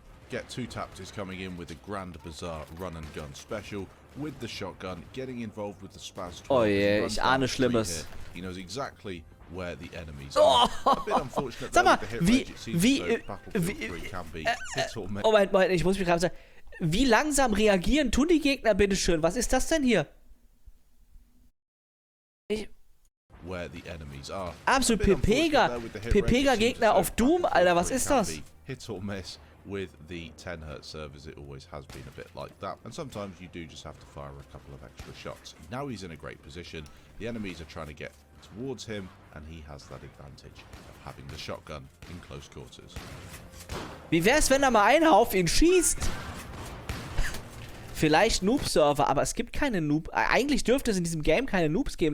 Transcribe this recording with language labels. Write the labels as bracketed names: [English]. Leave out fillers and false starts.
[English] Get two tapped is coming in with a Grand Bazaar run and gun special with the shotgun getting involved with the Spaz. [German] Oh yeah, ich ahne Schlimmes. [English] He knows exactly where the enemies are. [German] Sag mal, wie Moment, ich muss mich gerade sagen, wie langsam reagieren tun die Gegner, bitteschön, was ist das denn hier? [English] Where the enemies are. [German] Absolut Pepega. Pepega Gegner auf Doom, Alter, was ist das? [English] Hit or miss with the 10 Hertz servers, it always has been a bit like that. And sometimes you do just have to fire a couple of extra shots. Now he's in a great position. The enemies are trying to get towards him, and he has that advantage of having the shotgun in close quarters. [German] Wie wär's, wenn da mal einer auf ihn schießt? Vielleicht Noob-Server, aber es gibt keine Noob. Eigentlich dürfte es in diesem Game keine Noobs geben.